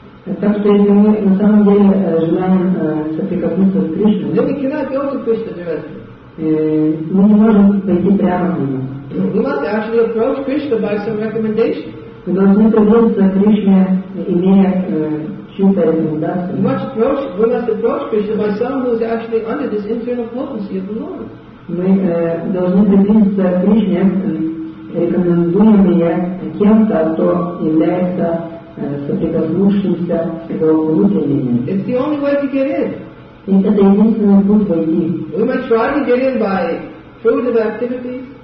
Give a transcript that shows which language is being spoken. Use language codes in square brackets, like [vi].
[ru] Так что если мы на самом деле желаем соприкоснуться с Кришной, [en] then we cannot go to Krishna directly. [ru] Мы не можем пойти прямо к нему. [en] We must actually approach Krishna by some recommendation. [ru] Мы должны приблизиться к Кришне, имея чью-то рекомендацию. [en] We must approach Krishna by someone who is actually under this internal potency of the Lord. [ru] Мы должны приблизиться к Кришне, рекомендуя меня кем-то, кто является соприкоснувшимся с его внутренним. [en] It's the only way to get in. [ru] И это единственный путь войти. [en] We might try to get in by fruitive activities.